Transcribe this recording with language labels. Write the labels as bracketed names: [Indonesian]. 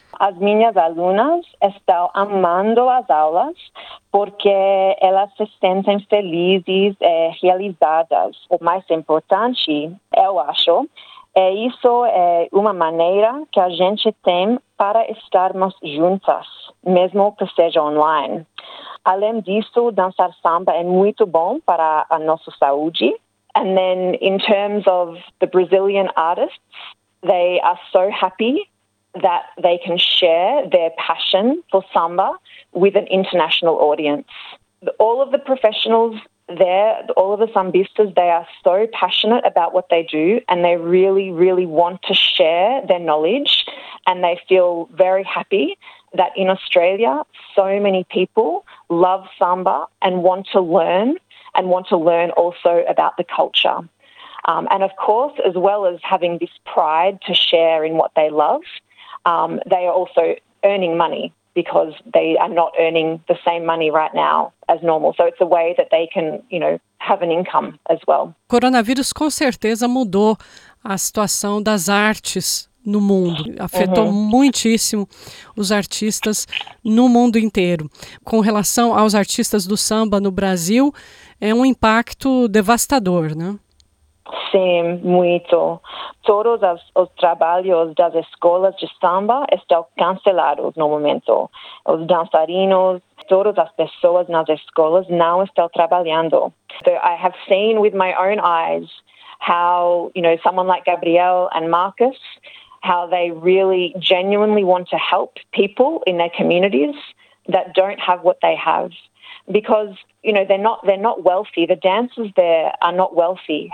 [Portuguese] As minhas alunas estão amando as aulas porque elas se sentem felizes e realizadas. O mais importante, eu acho, é isso é uma maneira que a gente tem para estarmos juntas, mesmo que seja online. Além disso, dançar samba é muito bom para a nossa saúde. [English] And then in terms of the Brazilian artists, they are so happy that they can share their passion for samba with an international audience. All of the professionals there, all of the sambistas, they are so passionate about what they do, and they really, really want to share their knowledge, and they feel very happy that in Australia, so many people love samba and want to learn, and want to learn also about the culture. And of course, as well as having this pride to share in what they love, they are also earning money because they are not earning the same money right now as normal. So it's a way that they can, you know, have an income as well. [Portuguese] Coronavírus com certeza mudou a situação das artes no mundo. Afetou uhum. muitíssimo os artistas no mundo inteiro. Com relação aos artistas do samba no Brasil, é um impacto devastador, né? Sim, muito. Todos os trabalhos das escolas de samba estão cancelados no momento. Os dançarinos, todas as pessoas nas escolas não estão trabalhando. [English] So I have seen with my own eyes how, you know, someone like Gabriel and Marcus, how they really genuinely want to help people in their communities that don't have what they have. Because, you know, they're not wealthy. The dancers there are not wealthy.